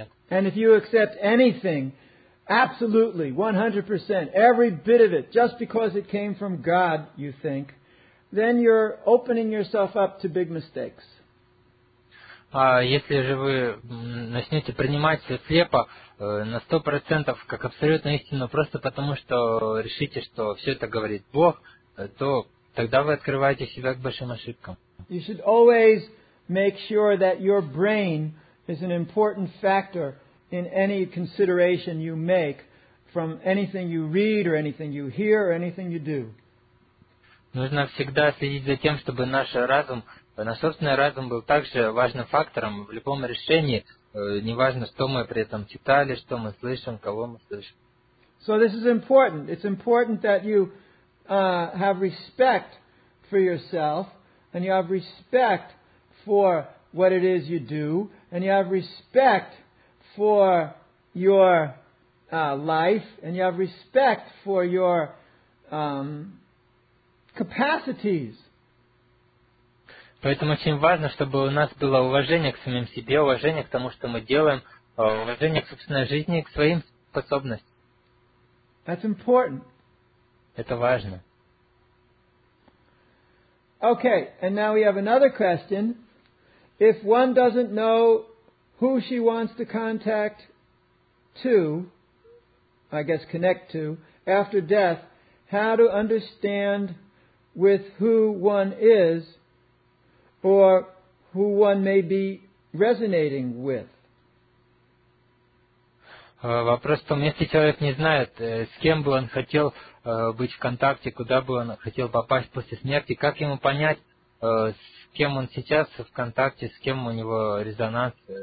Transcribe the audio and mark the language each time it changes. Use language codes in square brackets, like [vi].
[en] And if you accept anything, absolutely, 100%, every bit of it, just because it came from God, you think, then you're opening yourself up to big mistakes. [ru] Если же вы начнете принимать все слепо, на 100%, как абсолютную истину, просто потому что решите, что все это говорит Бог, то тогда вы открываете себя к большим ошибкам. [en] You should always make sure that your brain is an important factor in any consideration you make from anything you read or anything you hear or anything you do. [ru] Нужно всегда следить за тем, чтобы наш собственный разум был также важным фактором в любом решении, неважно, что мы при этом читали, что мы слышим, кого мы слышим. [en] So this is important. It's important that you have respect for yourself and you have respect for what it is you do, and you have respect for your life, and you have respect for your capacities. [ru] Поэтому очень важно, чтобы у нас было уважение к самим себе, уважение к тому, что мы делаем, уважение к собственной жизни и к своим способностям. [en] That's important. [ru] Это важно. [en] Okay, and now we have another question. If one doesn't know who she wants to contact to, I guess connect to, after death, how to understand with who one is, or who one may be resonating with. [ru] Вопрос в том, если человек не знает, с кем бы он хотел быть в контакте, куда бы он хотел попасть после смерти, как ему понять, с кем он сейчас в контакте, с кем у него резонанс?